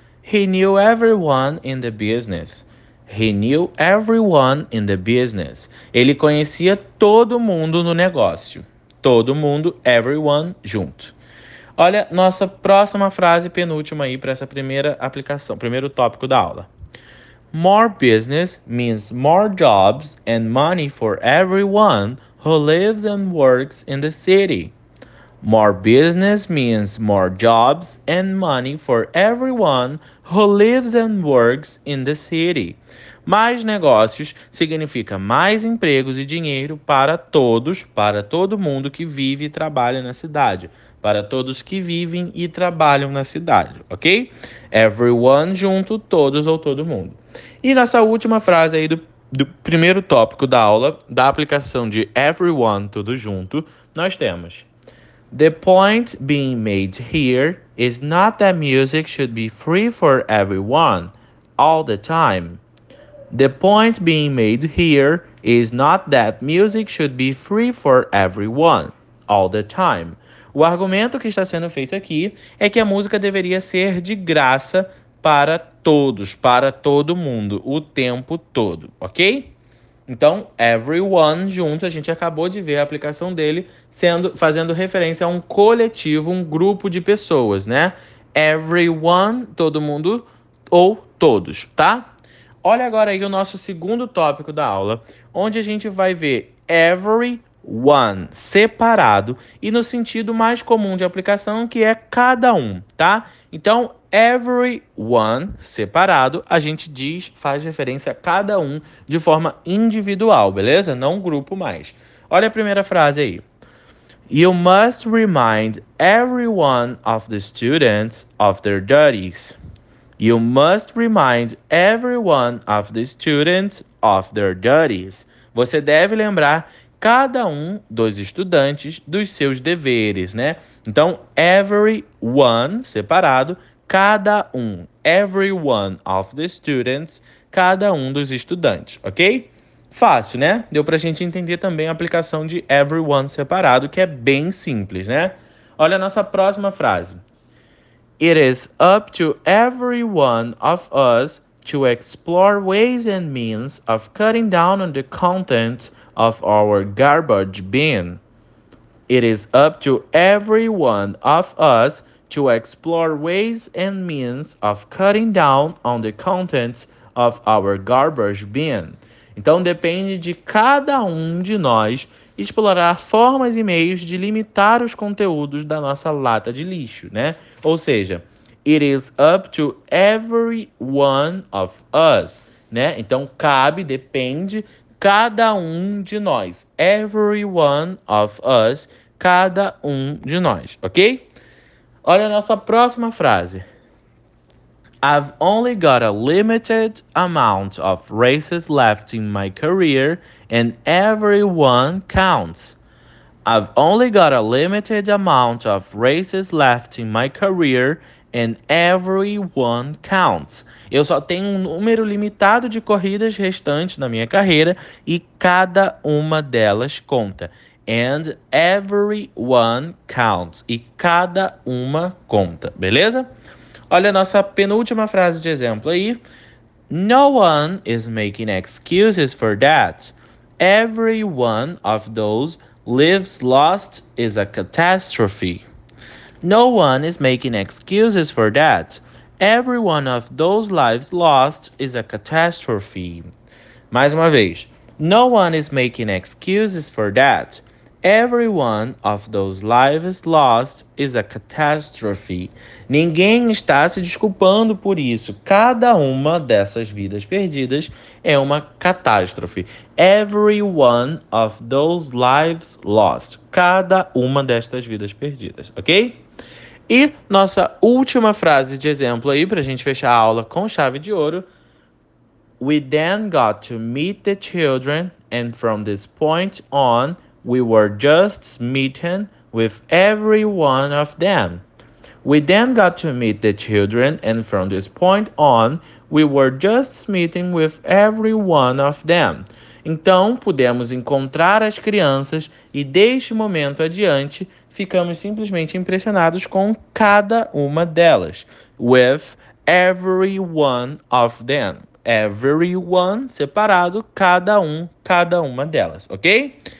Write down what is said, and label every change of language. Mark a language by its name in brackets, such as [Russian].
[English] He knew everyone in the business. He knew everyone in the business. [Portuguese] Ele conhecia todo mundo no negócio. Todo mundo, everyone, junto. Olha nossa próxima frase, penúltima aí para essa primeira aplicação, primeiro tópico da aula. [English] More business means more jobs and money for everyone who lives and works in the city. More business means more jobs and money for everyone who lives and works in the city. [Portuguese] Mais negócios significa mais empregos e dinheiro para todos, para todo mundo que vive e trabalha na cidade. Para todos que vivem e trabalham na cidade, ok? Everyone junto, todos ou todo mundo. E nessa última frase aí do primeiro tópico da aula, da aplicação de everyone, tudo junto, nós temos: [English] The point being made here is not that music should be free for everyone, all the time. The point being made here is not that music should be free for everyone, all the time. [Portuguese] O argumento que está sendo feito aqui é que a música deveria ser de graça para todos, para todo mundo, o tempo todo, ok? Então, everyone junto, a gente acabou de ver a aplicação dele sendo, fazendo referência a um coletivo, um grupo de pessoas, né? Everyone, todo mundo ou todos, tá? Olha agora aí o nosso segundo tópico da aula, onde a gente vai ver everyone separado e no sentido mais comum de aplicação, que é cada um, tá? Então, everyone separado, a gente diz, faz referência a cada um de forma individual, beleza? Não grupo mais. Olha a primeira frase aí. [English] You must remind everyone of the students of their duties. You must remind everyone of the students of their duties. [Portuguese] Você deve lembrar cada um dos estudantes dos seus deveres, né? Então, everyone, separado, cada um. [English] Everyone of the students, [Portuguese] cada um dos estudantes, ok? Fácil, né? Deu pra gente entender também a aplicação de everyone separado, que é bem simples, né? Olha a nossa próxima frase. [English] It is up to every one of us to explore ways and means of cutting down on the contents of our garbage bin. It is up to every one of us to explore ways and means of cutting down on the contents of our garbage bin. [Portuguese] Então depende de cada um de nós explorar formas e meios de limitar os conteúdos da nossa lata de lixo, né? Ou seja, [English] it is up to every one of us, né? [Portuguese] Então cabe, depende, cada um de nós. [English] Every one of us, [Portuguese] cada um de nós, ok? Olha a nossa próxima frase. [English] I've only got a limited amount of races left in my career and everyone counts. I've only got a limited amount of races left in my career and everyone counts. [Portuguese] Eu só tenho um número limitado de corridas restantes na minha carreira e cada uma delas conta. [English] And everyone counts. [Portuguese] E cada uma conta, beleza? Olha a nossa penúltima frase de exemplo aí. [English] No one is making excuses for that. Every one of those lives lost is a catastrophe. No one is making excuses for that. Every one of those lives lost is a catastrophe. [Portuguese] Mais uma vez. [English] No one is making excuses for that. Every one of those lives lost is a catastrophe. [Portuguese] Ninguém está se desculpando por isso. Cada uma dessas vidas perdidas é uma catástrofe. [English] Every one of those lives lost. [Portuguese] Cada uma destas vidas perdidas, ok? E nossa última frase de exemplo aí, pra gente fechar a aula com chave de ouro. [English] We then got to meet the children, and from this point on, we were just smitten with every one of them. We then got to meet the children, and from this point on, we were just smitten with every one of them. [Portuguese] Então, pudemos encontrar as crianças e, deste momento adiante, ficamos simplesmente impressionados com cada uma delas. [English] With every one of them. [Portuguese] Everyone, separado, cada um, cada uma delas, ok?